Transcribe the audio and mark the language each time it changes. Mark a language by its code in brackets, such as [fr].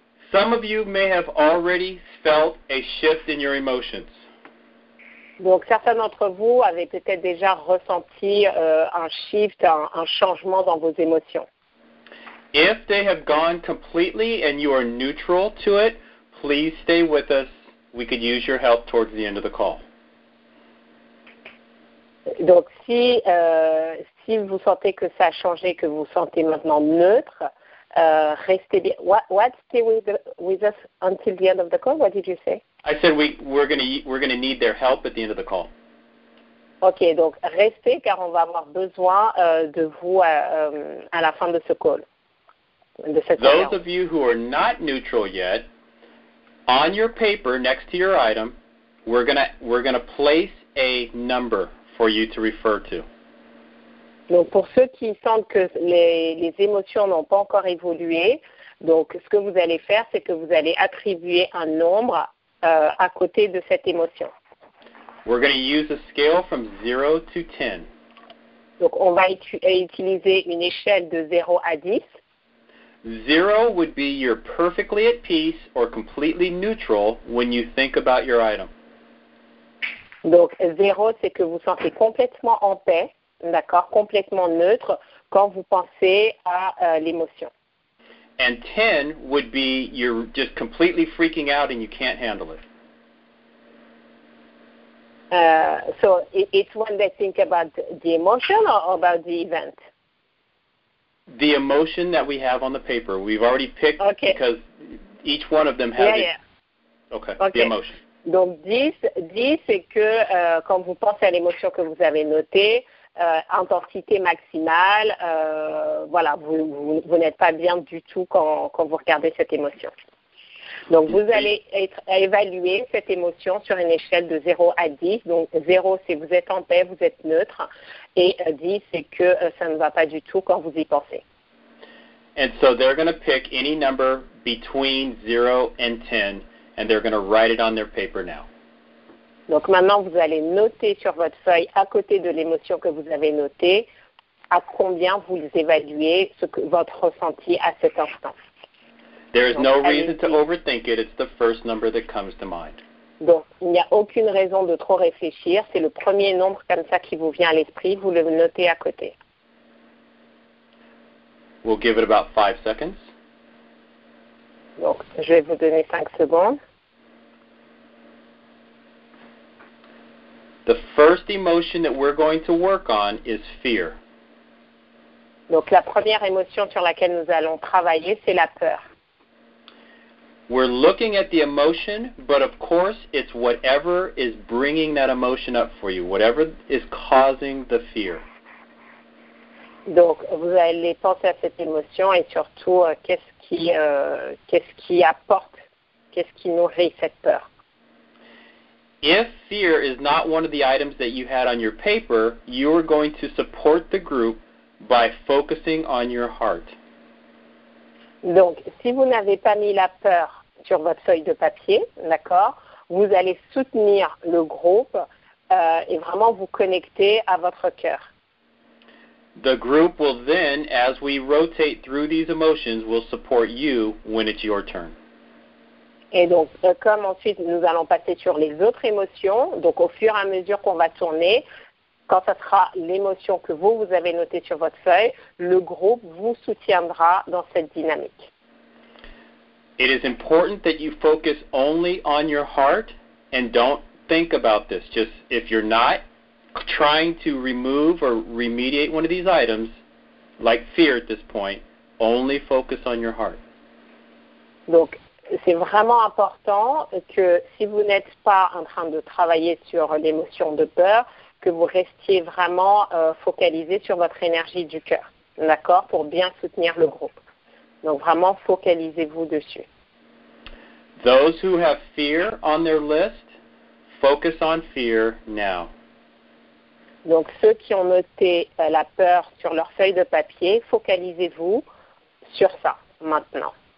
[en] Some of you may have already felt a shift in your emotions. [fr] Donc, certains d'entre vous avaient peut-être déjà ressenti un shift, un changement dans vos émotions. [en] If they have gone completely and you are neutral to it, please stay with us. We could use your help towards the end of the call. [fr] Donc, si vous sentez que ça a changé, que vous sentez maintenant neutre, restez bien. [en] What stay with us until the end of the call? What did you say? I said we're gonna need their help at the end of the call. [fr] Ok, donc restez car on va avoir besoin de vous à la fin de ce call. [en] Those of you who are not neutral yet, on your paper next to your item, we're gonna place a number for you to refer to. [fr] Donc pour ceux qui sentent que les émotions n'ont pas encore évolué, donc ce que vous allez faire, c'est que vous allez attribuer un nombre à côté de cette émotion. [en] We're going to use a scale from 0 to 10. [fr] Donc on va utiliser une échelle de 0 à 10. [en] 0 would be you're perfectly at peace or completely neutral when you think about your item. [fr] Donc 0, c'est que vous sentez complètement en paix, d'accord, complètement neutre quand vous pensez à l'émotion. [en] And 10 would be you're just completely freaking out and you can't handle it. So it's when they think about the emotion or about the event? The emotion that we have on the paper. We've already picked okay. Because each one of them has yeah, it. Yeah. Okay, the emotion. [fr] Donc 10, c'est que quand vous pensez à l'émotion que vous avez notée, intensité maximale, voilà, vous n'êtes pas bien du tout quand vous regardez cette émotion. Donc, vous allez évaluer cette émotion sur une échelle de 0 à 10. Donc, 0, c'est vous êtes en paix, vous êtes neutre. Et 10, c'est que ça ne va pas du tout quand vous y pensez. [en] And so, they're going to pick any number between 0 and 10, and they're going to write it on their paper now. [fr] Donc, maintenant, vous allez noter sur votre feuille, à côté de l'émotion que vous avez notée, à combien vous évaluez votre ressenti à cet instant. [en] There is no reason to overthink it. It's the first number that comes to mind. [fr] Donc, il n'y a aucune raison de trop réfléchir. C'est le premier nombre comme ça qui vous vient à l'esprit. Vous le notez à côté. [en] We'll give it about 5 seconds. [fr] Donc, je vais vous donner 5 secondes. [en] The first emotion that we're going to work on is fear. [fr] Donc, la première émotion sur laquelle nous allons travailler, c'est la peur. [en] We're looking at the emotion, but of course, it's whatever is bringing that emotion up for you, whatever is causing the fear. [fr] Donc, vous allez penser à cette émotion et surtout, qu'est-ce qui apporte, qu'est-ce qui nourrit cette peur. [en] If fear is not one of the items that you had on your paper, you are going to support the group by focusing on your heart. [fr] Donc, si vous n'avez pas mis la peur sur votre feuille de papier, d'accord, vous allez soutenir le groupe et vraiment vous connecter à votre cœur. [en] The group will then, as we rotate through these emotions, will support you when it's your turn. [fr] Et donc, comme ensuite nous allons passer sur les autres émotions, donc au fur et à mesure qu'on va tourner, quand ça sera l'émotion que vous avez notée sur votre feuille, le groupe vous soutiendra dans cette dynamique. [en] It is important that you focus only on your heart and don't think about this. Just if you're not trying to remove or remediate one of these items, like fear at this point, only focus on your heart. [fr] Donc, c'est vraiment important que si vous n'êtes pas en train de travailler sur l'émotion de peur, que vous restiez vraiment focalisé sur votre énergie du cœur, d'accord, pour bien soutenir le groupe. Donc, vraiment, focalisez-vous dessus. [en] Those who have fear on their list, focus on fear now. [fr] Donc, ceux qui ont noté la peur sur leur feuille de papier, focalisez-vous sur ça, maintenant.